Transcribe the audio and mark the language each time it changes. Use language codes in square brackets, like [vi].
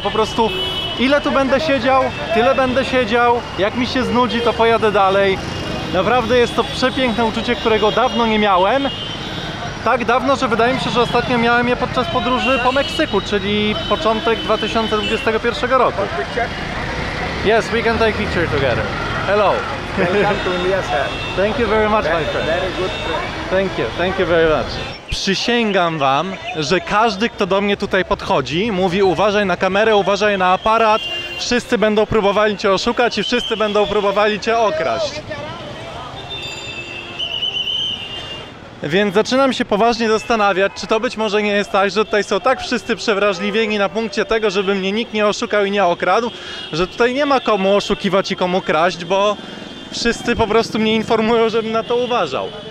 [pl] Po prostu ile tu będę siedział, tyle będę siedział. Jak mi się znudzi, to pojadę dalej. Naprawdę jest to przepiękne uczucie, którego dawno nie miałem. Tak dawno, że wydaje mi się, że ostatnio miałem je podczas podróży po Meksyku, czyli początek 2021 roku. [en] Yes, we can take picture together. Hello. Thank you very much, my friend. Thank you very much. [pl] Przysięgam wam, że każdy, kto do mnie tutaj podchodzi, mówi: uważaj na kamerę, uważaj na aparat, wszyscy będą próbowali cię oszukać i wszyscy będą próbowali cię okraść. Więc zaczynam się poważnie zastanawiać, czy to być może nie jest tak, że tutaj są tak wszyscy przewrażliwieni na punkcie tego, żeby mnie nikt nie oszukał i nie okradł, że tutaj nie ma komu oszukiwać i komu kraść, bo wszyscy po prostu mnie informują, żebym na to uważał.